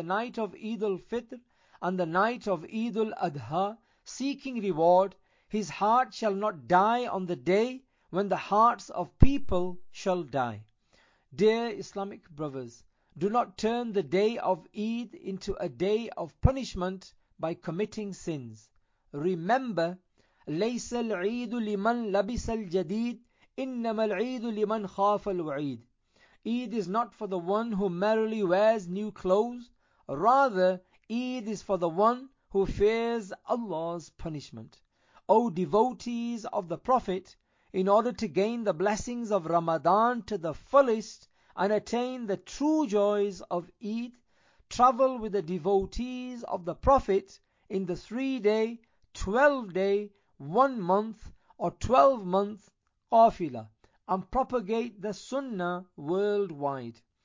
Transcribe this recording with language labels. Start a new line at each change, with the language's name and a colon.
English: the night of Eid al-Fitr and the night of Eid al-Adha, seeking reward, his heart shall not die on the day when the hearts of people shall die. Dear Islamic brothers, do not turn the day of Eid into a day of punishment by committing sins. Remember,
Arabic: لَيْسَ الْعِيدُ لِمَنْ لَبِسَ الْجَدِيدُ إِنَّمَا الْعِيدُ لِمَنْ خَافَ الْوَعِيدُ.
English: Eid is not for the one who merrily wears new clothes. Rather, Eid is for the one who fears Allah's punishment. O devotees of the Prophet, in order to gain the blessings of Ramadan to the fullest and attain the true joys of Eid, travel with the devotees of the Prophet in the 3-day, 12-day, 1-month or 12-month qafila and propagate the sunnah worldwide.